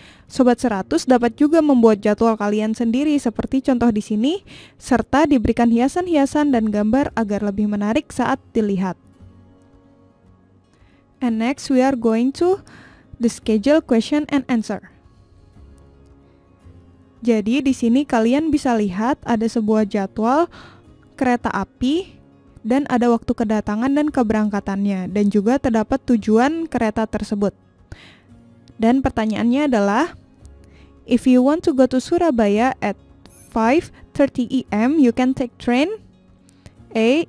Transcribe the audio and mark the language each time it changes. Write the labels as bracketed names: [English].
[Indonesian] Sobat 100 dapat juga membuat jadwal kalian sendiri seperti contoh di sini, serta diberikan hiasan-hiasan dan gambar agar lebih menarik saat dilihat. [English] And next we are going to the schedule question and answer. [Indonesian] Jadi di sini kalian bisa lihat ada sebuah jadwal kereta api dan ada waktu kedatangan dan keberangkatannya dan juga terdapat tujuan kereta tersebut. Dan pertanyaannya adalah, [English] if you want to go to Surabaya at 5:30 AM, you can take train A.